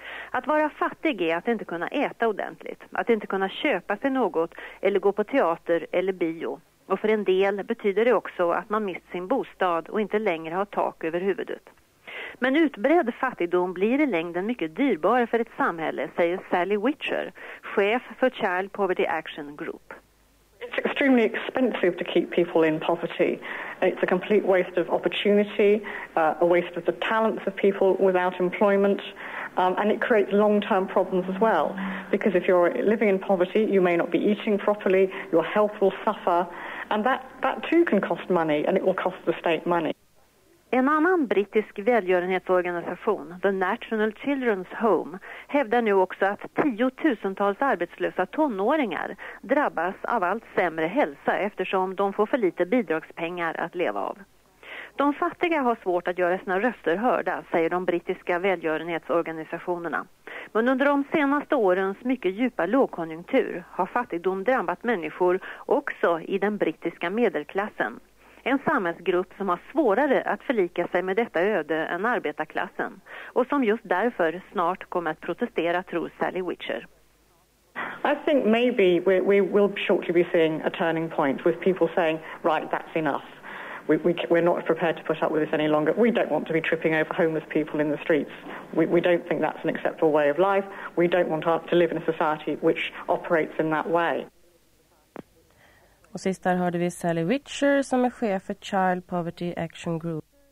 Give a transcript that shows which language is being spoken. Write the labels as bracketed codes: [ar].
[sv] Att vara fattig är att inte kunna äta ordentligt, att inte kunna köpa sig något eller gå på teater eller bio. Och för en del betyder det också att man mist sin bostad och inte längre har tak över huvudet. Men utbredd fattigdom blir i längden mycket dyrbar för ett samhälle, säger Sally Witcher, chef för Child Poverty Action Group. [en] It's extremely expensive to keep people in poverty. It's a complete waste of opportunity, a waste of the talents of people without employment, and it creates long-term problems as well. Because if you're living in poverty, you may not be eating properly, your health will suffer, and that too can cost money, and it will cost the state money. [sv] En annan brittisk välgörenhetsorganisation, The National Children's Home, hävdar nu också att tiotusentals arbetslösa tonåringar drabbas av allt sämre hälsa eftersom de får för lite bidragspengar att leva av. De fattiga har svårt att göra sina röster hörda, säger de brittiska välgörenhetsorganisationerna. Men under de senaste årens mycket djupa lågkonjunktur har fattigdom drabbat människor också i den brittiska medelklassen. En samhällsgrupp som har svårare att förlika sig med detta öde än arbetarklassen, och som just därför snart kommer att protestera, tror Sally Witcher. [en] I think maybe we will shortly be seeing a turning point with people saying, right, that's enough. We're not prepared to put up with this any longer. We don't want to be tripping over homeless people in the streets. We don't think that's an acceptable way of life. We don't want to live in a society which operates in that way. [sv] Och sist där hörde vi Sally Witcher som är chef för Child Poverty Action Group.